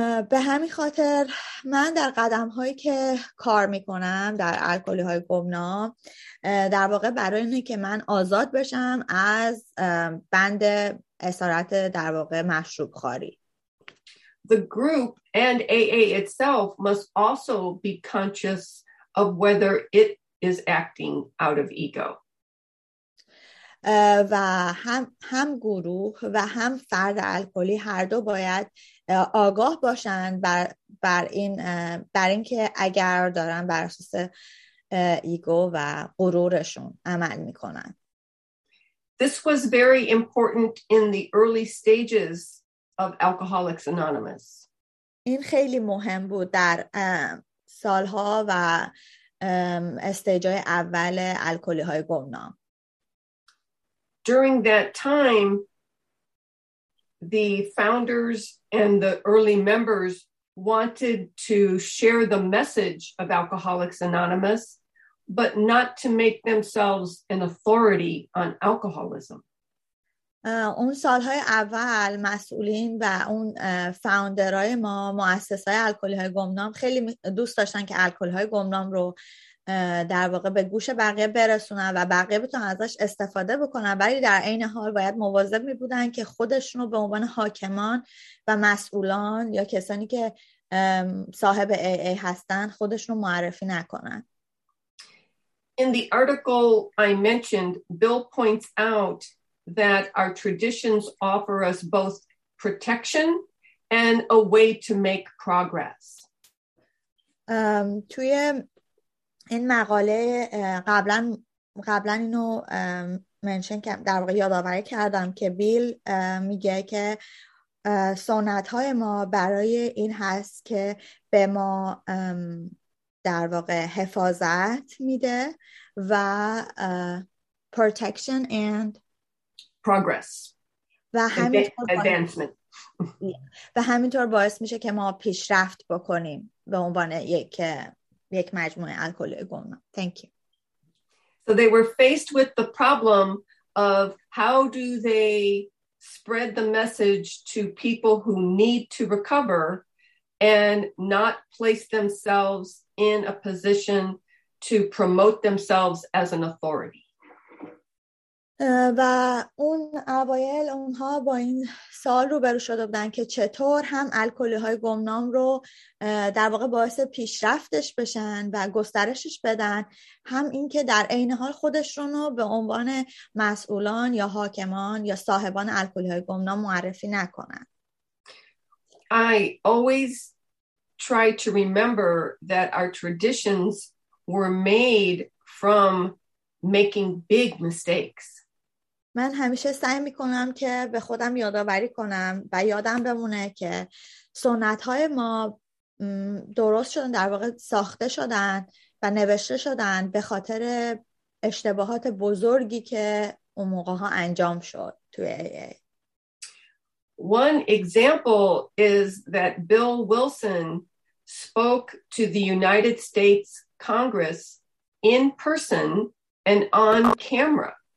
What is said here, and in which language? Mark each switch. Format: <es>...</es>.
<fa>به همین خاطر من در قدم هایی که کار میکنم در الکلی های گمنام، در واقع برای اینه که من آزاد بشم از بند اسارت در واقع مشروب خاری.</fa> <en>The group and AA itself must also be conscious of whether it is acting out of ego.</en> <fa>و هم گروه و هم فرد الکلی هر دو باید آگاه باشند بر این که اگر دارن بر اساس ایگو و غرورشون عمل میکنن.</fa> <en>This was very important in the early stages of Alcoholics Anonymous.</en> <fa>این خیلی مهم بود در سالها و استیجای اول الکلی های گمنام.</fa> <en>During that time, the founders and the early members wanted to share the message of Alcoholics Anonymous, but not to make themselves an authority on alcoholism.</en> <fa>اون سالهای اول مسئولین و اون فاوندرهای ما مؤسسهای الکلی های گمنام خیلی دوست داشتن که الکلی های گمنام رو در واقع به گوش بقیه برسونن و بقیه بتونن ازش استفاده بکنن، ولی در عین حال باید مواظب می بودن که خودشون رو به عنوان حاکمان و مسئولان یا کسانی که صاحب ای ای هستن خودشون رو معرفی نکنن.</fa> <en>In the article I mentioned, Bill points out that our traditions offer us both protection and a way to make progress.</en> <fa>توی این مقاله قبلن اینو منشن کردم، در واقع یادآوری کردم که بیل میگه که سنت های ما برای این هست که به ما در واقع حفاظت میده و</fa> <en>protection and progress</en> <fa>و همینطور</fa> <en>advancement</en> <fa>و همینطور باعث میشه که ما پیشرفت بکنیم به عنوان یک مجموعه الکلی گمنام.</fa> <en>Thank you. So they were faced with the problem of how do they spread the message to people who need to recover and not place themselves in a position to promote themselves as an authority.</en> <fa>و اون اوایل اونها با این سوال روبرو شده بودن که چطور هم الکلی های گمنام رو در واقع باعث پیشرفتش بشن و گسترشش بدن، هم اینکه در عین حال خودشون رو به عنوان مسئولان یا حاکمان یا صاحبان الکلی های گمنام معرفی نکنن.</fa> <en>I always try to remember that our traditions were made from making big mistakes.</en> <fa>من همیشه سعی میکنم که به خودم یادآوری کنم و یادم بمونه که سنت‌های ما درست شدن، در واقع ساخته شدن و نوشته شدن به خاطر اشتباهات بزرگی که اون موقع‌ها انجام شد توی AA.</fa> <en>One example is that Bill Wilson spoke to the United States Congress in person and on camera.</en>